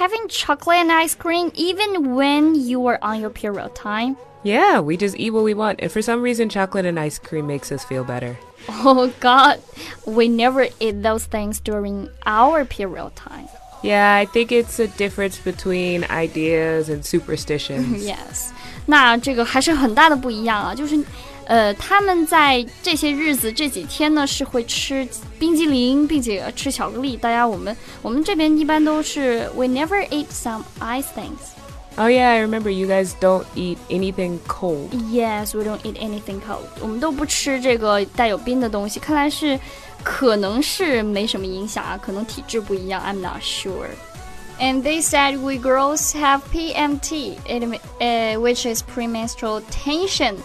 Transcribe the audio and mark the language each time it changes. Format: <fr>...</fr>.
<en>Having chocolate and ice cream even when you are on your period time? Yeah, we just eat what we want. And for some reason, chocolate and ice cream makes us feel better. Oh God, we never eat those things during our period time. Yeah, I think it's a difference between ideas and superstitions.</en> <zh>Yes, 那这个还是很大的不一样啊，就是，他们在这些日子这几天呢是会吃冰激凌，并且吃巧克力。大家我们这边一般都是</zh> <en>we never eat some ice things. Oh yeah, I remember you guys don't eat anything cold. Yes, we don't eat anything cold.</en> <zh>我们都不吃这个带有冰的东西，看来是可能是没什么影响啊，可能体质不一样，</zh> <en>I'm not sure. And they said we girls have PMT, which is premenstrual tension.</en>